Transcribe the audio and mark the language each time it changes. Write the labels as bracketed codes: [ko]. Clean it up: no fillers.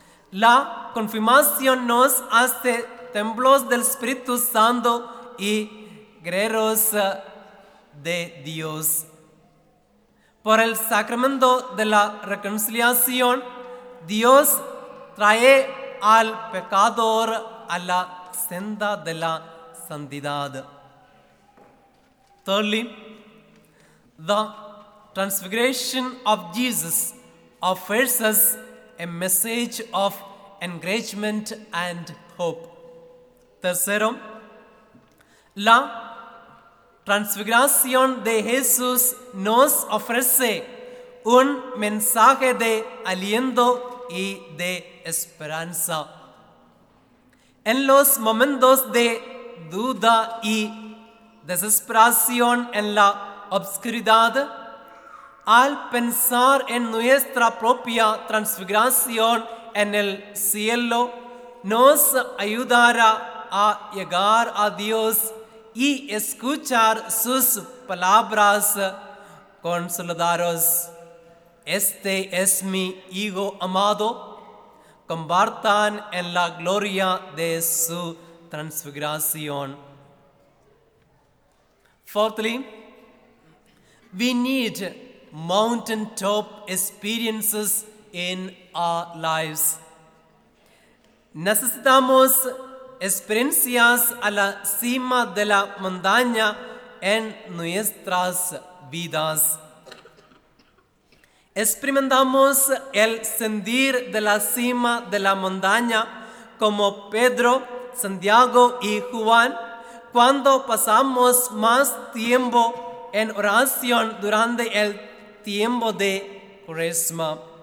[es] La confirmación nos hace templos del Espíritu Santo y guerreros de Dios. Por el sacramento de la reconciliación, Dios trae al pecador a la senda de la santidad. [en] Thirdly, the transfiguration of Jesus offers us a message of encouragement and hope. [es] Tercero, la transfiguración de Jesús nos ofrece un mensaje de aliento y de esperanza. En los momentos de duda y desesperación en la oscuridad, al pensar en nuestra propia transfiguración en el cielo, nos ayudará a llegar a Dios y escuchar sus palabras consoladoras. Este es mi Hijo amado. Compartan en la gloria de su transfiguración. [en] Fourthly, we need mountaintop experiences in our lives. [es] Necesitamos experiencias a la cima de la montaña en nuestras vidas. Experimentamos el sentir de la cima de la montaña como Pedro, Santiago y Juan cuando pasamos más tiempo en oración durante el tiempo de Cuaresma.